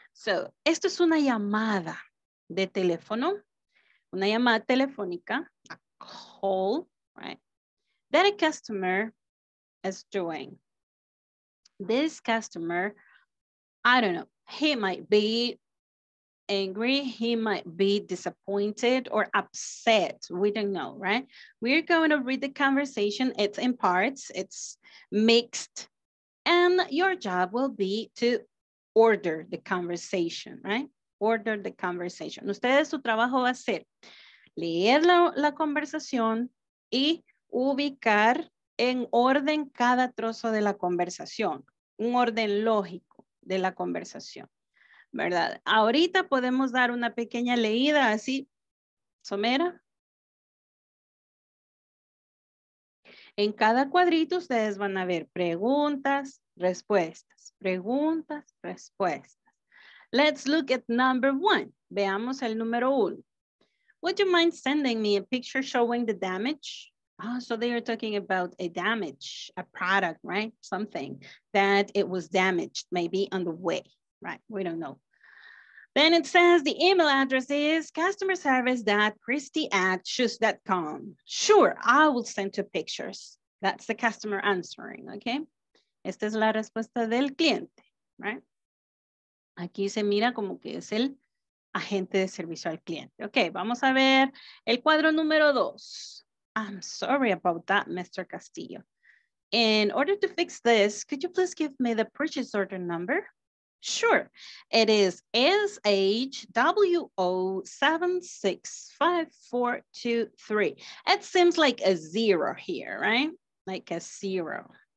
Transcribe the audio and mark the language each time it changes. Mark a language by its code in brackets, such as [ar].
[es] So, esto es una llamada de teléfono, una llamada telefónica, a call, right? [en] That a customer is doing. This customer, I don't know, he might be angry, he might be disappointed or upset. We don't know, right? We're going to read the conversation. It's in parts, it's mixed. And your job will be to order the conversation, right? Order the conversation. [es] Ustedes, su trabajo va a ser leer la conversación y ubicar en orden cada trozo de la conversación, un orden lógico de la conversación, ¿verdad? Ahorita podemos dar una pequeña leída así, somera. En cada cuadrito ustedes van a ver preguntas, respuestas, preguntas, respuestas. [en] Let's look at number one. Veamos el número uno. Would you mind sending me a picture showing the damage? Oh, so they are talking about a damage, a product, right? Something that it was damaged, maybe on the way, right? We don't know. Then it says the email address is customerservice.christy@shoes.com. Sure, I will send two pictures. That's the customer answering, okay? [es] Esta es la respuesta del cliente, right? Aquí se mira como que es el agente de servicio al cliente. Okay, vamos a ver el cuadro número dos. [en] I'm sorry about that, Mr. Castillo. In order to fix this, could you please give me the purchase order number? Sure, it is SHWO765423. It seems like a zero here, right? Like a zero.